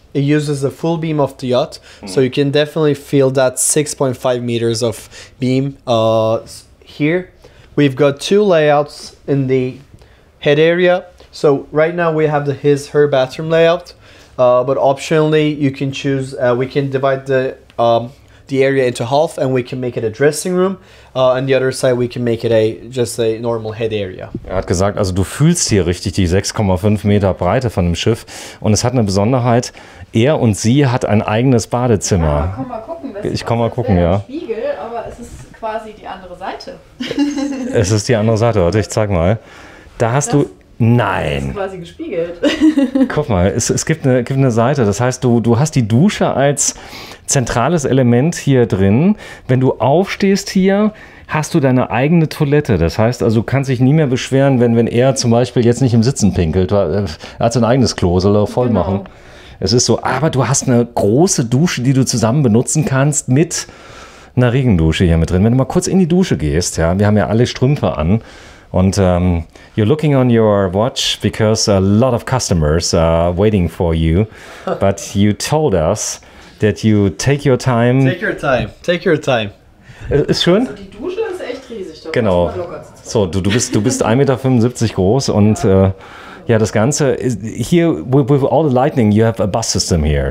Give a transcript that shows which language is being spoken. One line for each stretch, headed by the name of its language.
English: It uses the full beam of the yacht, so you can definitely feel that 6.5 meters of beam here. We've got two layouts in the head area, So right now we have the his, her bathroom layout, but optionally you can choose, we can divide the area into half and we can make it a dressing room. On the other side we can make it just a normal head area.
German: Er hat gesagt, also du fühlst hier richtig die 6,5 Meter Breite von dem Schiff und es hat eine Besonderheit, er und sie hat ein eigenes Badezimmer. Ich komm mal gucken. Ein Spiegel, aber es ist quasi die andere Seite. Es ist die andere Seite, warte, ich zeig mal. Nein. Das ist quasi gespiegelt. Guck mal, es gibt eine Seite. Das heißt, du hast die Dusche als zentrales Element hier drin. Wenn du aufstehst hier, hast du deine eigene Toilette. Das heißt, also du kannst dich nie mehr beschweren, wenn er zum Beispiel jetzt nicht im Sitzen pinkelt. Er hat sein eigenes Klo, soll er voll machen. Es ist so, aber du hast eine große Dusche, die du zusammen benutzen kannst mit einer Regendusche hier mit drin. Wenn du mal kurz in die Dusche gehst, ja, wir haben ja alle Strümpfe an.
English: Und you're looking on your watch because a lot of customers are waiting for you. But you told us that you take your time. Take your time.
German: Ist schön? Also die Dusche ist echt riesig. Da genau. So, du bist 1,75 Meter groß und ja, das Ganze ist hier,
English: with all the lightning, you have a bus system here.